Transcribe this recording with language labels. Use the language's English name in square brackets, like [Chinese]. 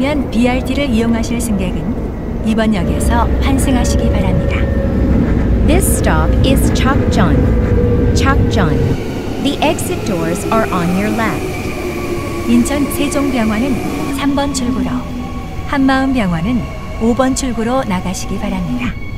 [Korean] BRT를 이용하실 승객은 이번 역에서 환승하시기 바랍니다. [English] This stop is Chakjeon. Chakjeon. The exit doors are on your left. [Korean] 인천 세종병원은 3번 출구로, 한마음병원은 5번 출구로 나가시기 바랍니다.